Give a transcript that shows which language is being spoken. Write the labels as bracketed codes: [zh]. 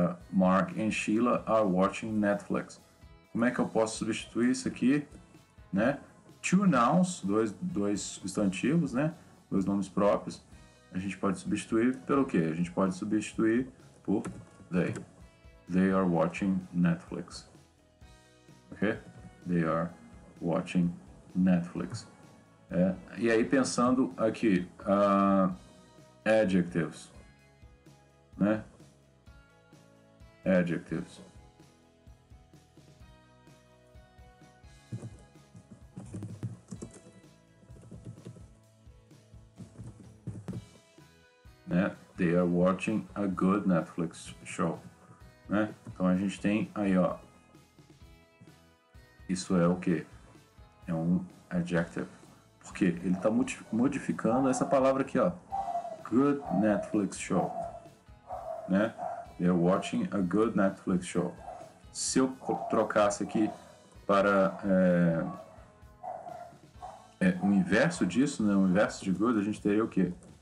[en] Mark and Sheila are watching Netflix. [pt] Como é que eu posso substituir isso aqui, né? [en] Two nouns, [pt] dois substantivos, né? Dois nomes próprios. A gente pode substituir pelo quê? A gente pode substituir por they. [en] They are watching Netflix. Ok? They are watching Netflix. [pt] E aí, pensando aqui, [en] adjectives, né? Adjectives. Né? They are watching a good Netflix show, né? [pt] Então a gente tem aí, ó. Isso é o quê? É um adjective. Por quê? Ele está modificando essa palavra aqui, ó. [en] Good Netflix show, né? They are watching a good Netflix show. [pt] Se eu trocasse aqui para o inverso disso, né? O inverso de good, a gente teria o quê?